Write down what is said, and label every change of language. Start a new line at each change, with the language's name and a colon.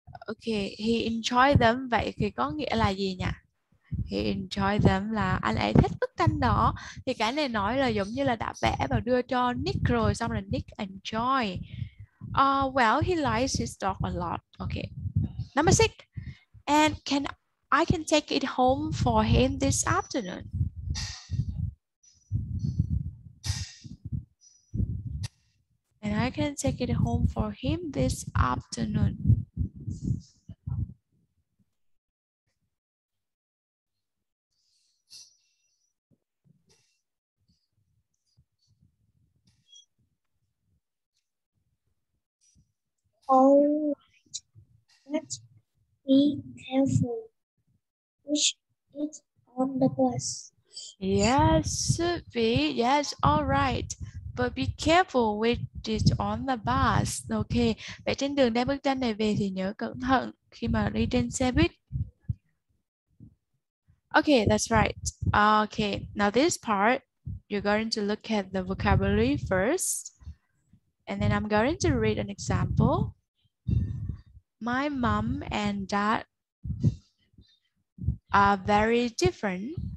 English: Okay, he enjoyed them.
Vietnamese: Vậy thì có nghĩa là gì nhỉ?
English: He enjoyed them
Vietnamese: là anh ấy thích bức tranh đó. Thì cái này nói là giống như là đã vẽ và đưa cho Nick rồi, xong là Nick enjoy.
English: Well, he likes his dog a lot. Okay. Number six. And I can take it home for him this afternoon. And I can take it home for him this afternoon. Alright, but be careful. Push it on the bus. Yes, alright. But be careful with it on the bus. Okay.
Vietnamese: Vậy trên đường đem bức tranh này về thì nhớ cẩn thận khi mà đi trên xe buýt.
English: Okay, that's right. Okay. Now this part, you're going to look at the vocabulary first. And then I'm going to read an example. My mom and dad are very different.